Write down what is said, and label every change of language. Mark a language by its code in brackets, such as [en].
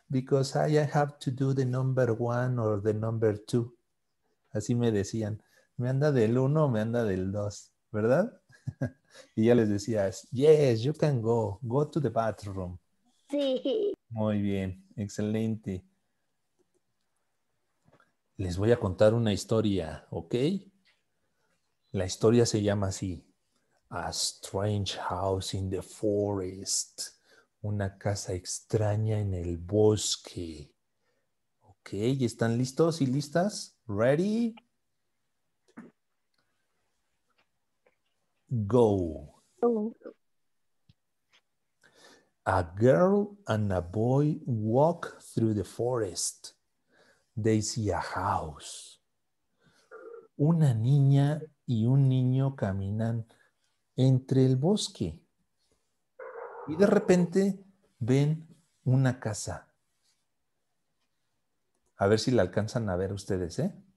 [en] Because I have to do the number one or the number two. [es] Así me decían, me anda del uno, me anda del dos, ¿verdad? Y ya les decía, [en] yes, you can go, go to the bathroom. [es] Sí. Muy bien, excelente. Les voy a contar una historia, ¿ok? La historia se llama así, [en] A Strange House in the Forest, [es] una casa extraña en el bosque. ¿Ok? ¿Están listos y listas? ¿Ready? [en] Go. A girl and a boy walk through the forest. They see a house. [es] Una niña y un niño caminan entre el bosque y de repente ven una casa. A ver si la alcanzan a ver ustedes, ¿eh?